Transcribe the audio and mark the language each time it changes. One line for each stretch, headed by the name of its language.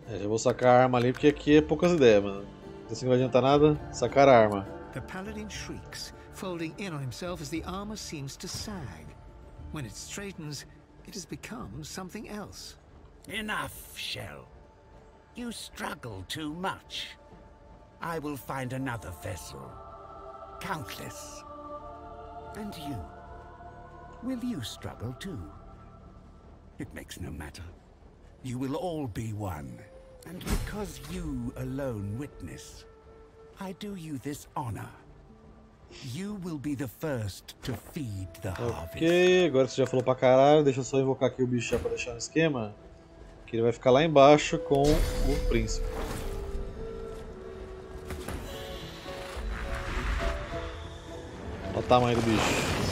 Portuguese: Eu vou sacar a arma ali porque aqui é poucas ideias, mano. Assim não vai adiantar nada, sacar a arma.
English: The paladin shrieks, folding in on himself as the armor seems to sag. When it straightens, it has become something else. Enough, Shell. You struggle too much. I will find another vessel. Countless. And you? Will you struggle too? It makes no matter. You will all be one. And because you alone witness, I do you this honor. You will be the first to feed the harvest.
Portuguese: Ok, agora que você já falou pra caralho, deixa eu só invocar aqui o bicho já pra deixar no esquema. Que ele vai ficar lá embaixo com o príncipe. Olha o tamanho do bicho.